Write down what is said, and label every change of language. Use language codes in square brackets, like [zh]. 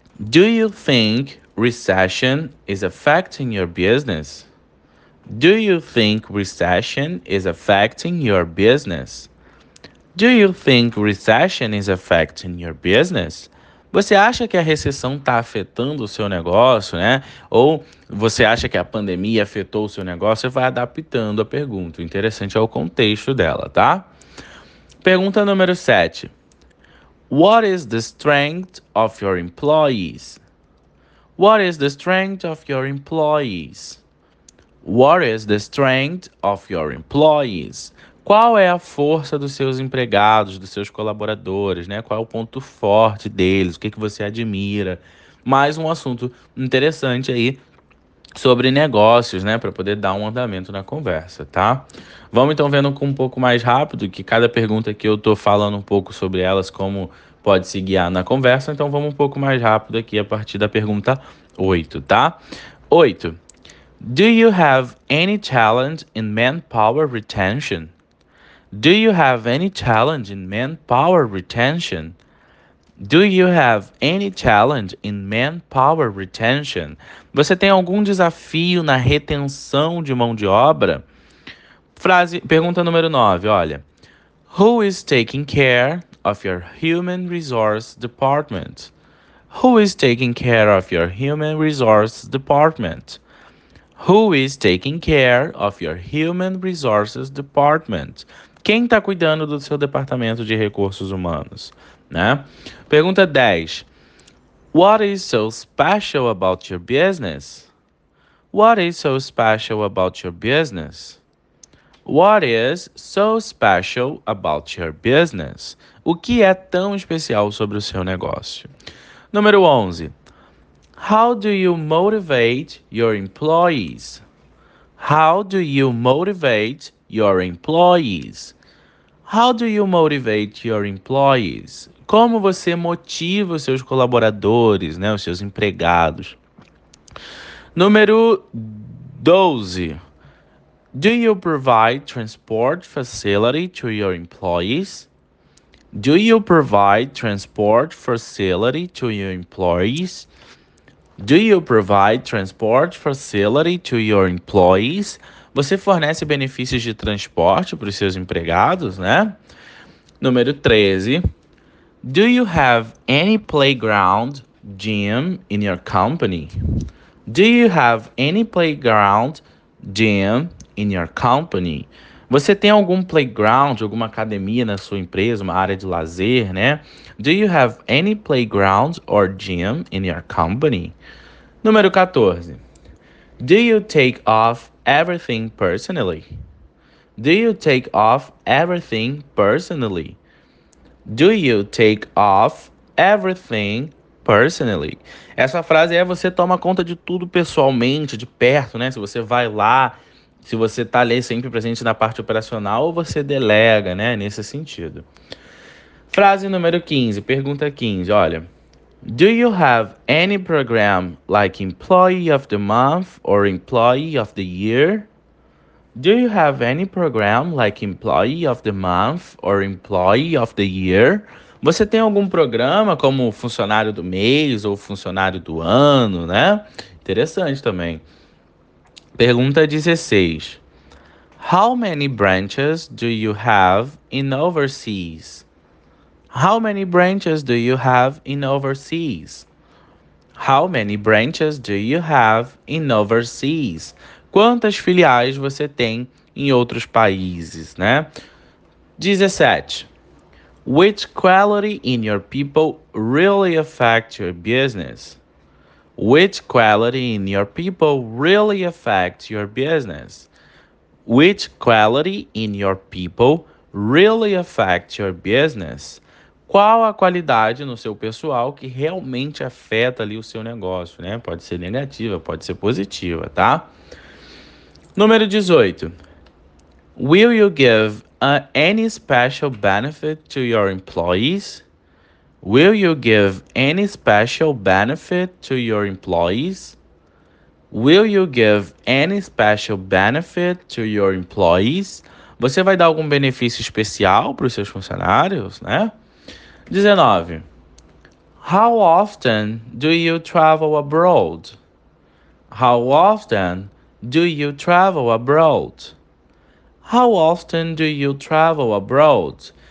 [en] Do you think recession is affecting your business? Do you think recession is affecting your business? Do you think recession is affecting your business? [pt] Você acha que a recessão está afetando o seu negócio, né? Ou você acha que a pandemia afetou o seu negócio? Você vai adaptando a pergunta. O interessante é o contexto dela, tá? Pergunta número 7. [en] What is the strength of your employees? What is the strength of your employees? What is the strength of your employees? [pt] Qual é a força dos seus empregados, dos seus colaboradores, né? Qual é o ponto forte deles? O que que você admira? Mais um assunto interessante aí sobre negócios, né? Para poder dar um andamento na conversa, tá? Vamos então vendo com um pouco mais rápido, que cada pergunta que eu estou falando um pouco sobre elas, como pode se guiar na conversa. Então vamos um pouco mais rápido aqui a partir da pergunta 8, tá? 8. [en] Do you have any challenge in manpower retention? Do you have any challenge in manpower retention? Do you have any challenge in manpower retention? [pt] Você tem algum desafio na retenção de mão de obra? Frase, pergunta número 9, olha. [en] Who is taking care of your human resource department? Who is taking care of your human resource department? Who is taking care of your human resources department? [pt] Quem está cuidando do seu departamento de recursos humanos, né? Pergunta 10. [en] What is so special about your business? What is so special about your business? What is so special about your business? [pt] O que é tão especial sobre o seu negócio? Número 11. [en] How do you motivate your employees? How do you motivate your employees? How do you motivate your employees? [pt] Como você motiva os seus colaboradores, né, os seus empregados? Número 12. [en] Do you provide transport facility to your employees? Do you provide transport facility to your employees? Do you provide transport facility to your employees? [pt] Você fornece benefícios de transporte para os seus empregados, né? Número 13. [en] Do you have any playground gym in your company? Do you have any playground gym in your company? [pt] Você tem algum playground, alguma academia na sua empresa, uma área de lazer, né? [en] Do you have any playground or gym in your company? [pt] Número 14. [en] Do you take off everything personally? Do you take off everything personally? Do you take off everything personally? [pt] Essa frase é você toma conta de tudo pessoalmente, de perto, né? Se você vai lá, se você tá ali sempre presente na parte operacional, ou você delega, né? Nesse sentido. Frase número 15, pergunta 15, olha. [en] Do you have any program like Employee of the Month or Employee of the Year? Do you have any program like Employee of the Month or Employee of the Year? [pt] Você tem algum programa como funcionário do mês ou funcionário do ano, né? Interessante também. Pergunta 16. [en] How many branches do you have in overseas? How many branches do you have in overseas? How many branches do you have in overseas? [pt] Quantas filiais você tem em outros países, né? 17. [en] Which quality in your people really affect your business? Which quality in your people really affect your business? Which quality in your people really affect your business? [pt] Qual a qualidade no seu pessoal que realmente afeta ali o seu negócio, né? Pode ser negativa, pode ser positiva, tá? Número 18. [en] Will you give any special benefit to your employees? Will you give any special benefit to your employees? Will you give any special benefit to your employees? [pt] Você vai dar algum benefício especial para os seus funcionários, né? [en] 19. How often do you travel abroad? How often do you travel abroad? How often do you travel abroad?